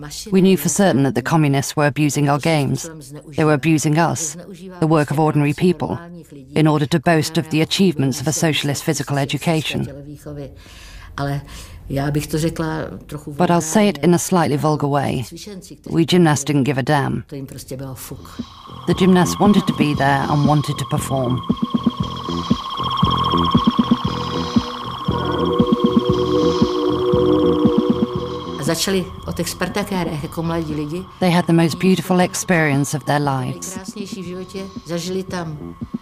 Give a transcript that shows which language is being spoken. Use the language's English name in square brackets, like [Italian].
[English] We knew for certain that the communists were abusing our games. They were abusing us, the work of ordinary people, in order to boast of the achievements of a socialist physical education. [Czech] ale já bych to řekla trochu. [English] But I'll say it in a slightly vulgar way. We gymnasts didn't give a damn. [Czech] To jim prostě bylo fuk. [English] The gymnasts wanted to be there and wanted to perform. [Czech] Začali od expertech hrách jako mladí lidi. [English] They had the most beautiful experience of their lives. [Czech] Nejkrásnější v životě zažili tam.